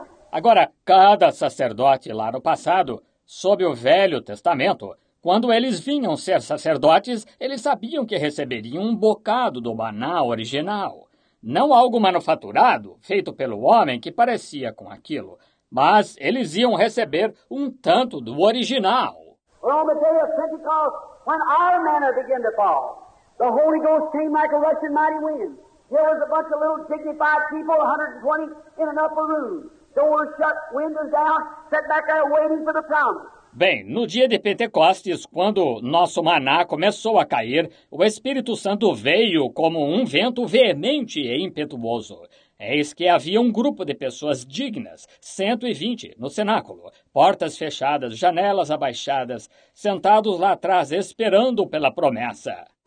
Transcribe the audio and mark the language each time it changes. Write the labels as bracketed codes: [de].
[pt] Agora, cada sacerdote lá no passado, sob o Velho Testamento, quando eles vinham ser sacerdotes, eles sabiam que receberiam um bocado do maná original. Não algo manufaturado, feito pelo homem que parecia com aquilo, mas eles iam receber um tanto do original. [en] On the day of Pentecost, when our manna began to fall, the Holy Ghost came like a rushing mighty wind. There was a bunch of little dignified people, 120, in an upper room. Doors shut, windows down, sat back there waiting for the promise. [pt] Bem, no dia de Pentecostes, quando nosso maná começou a cair, o Espírito Santo veio como um vento veemente e impetuoso. Eis que havia um grupo de pessoas dignas, 120, no cenáculo, portas fechadas, janelas abaixadas, sentados lá atrás, esperando pela promessa.